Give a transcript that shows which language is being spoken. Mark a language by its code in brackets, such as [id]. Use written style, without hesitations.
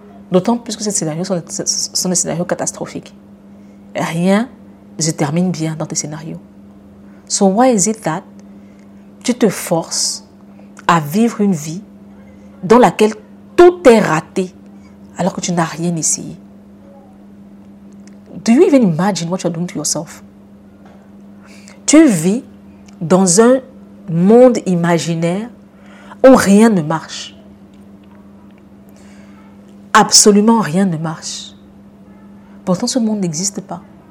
[fr] D'autant plus que ces scénarios sont des scénarios catastrophiques. Rien se termine bien dans tes scénarios. [en] So why is it that [fr] tu te forces à vivre une vie dans laquelle tout est raté alors que tu n'as rien essayé? [en] Do you even imagine what you're doing to yourself? [fr] Tu vis dans un monde imaginaire où rien ne marche. Absolument rien ne marche. Pourtant, ce monde n'existe pas.